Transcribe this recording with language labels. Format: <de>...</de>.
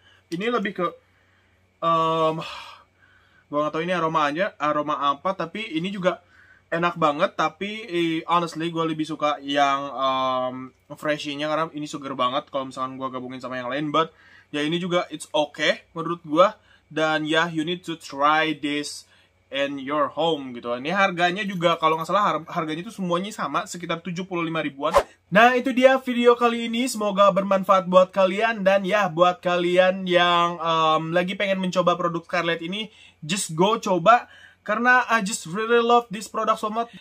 <id>Ini lebih ke gue gak tau ini aromanya aroma apa, tapi ini juga enak banget. Tapi honestly gue lebih suka yang freshy-nya karena ini seger banget kalau misalkan gue gabungin sama yang lain.</id> <en>But</en> <id>ya ini juga</id> <en>it's okay</en> <id>menurut gue. Dan ya</id> <en>yeah, you need to try this in your home</en> <id>gitu. Ini harganya juga kalau gak salah harganya itu semuanya sama, sekitar 75 ribuan. Nah itu dia video kali ini, semoga bermanfaat buat kalian. Dan ya buat kalian yang lagi pengen mencoba produk Scarlett ini,</id> <en>just go</en> <id>coba, karena</id> <en>I just really love this product so much.</en>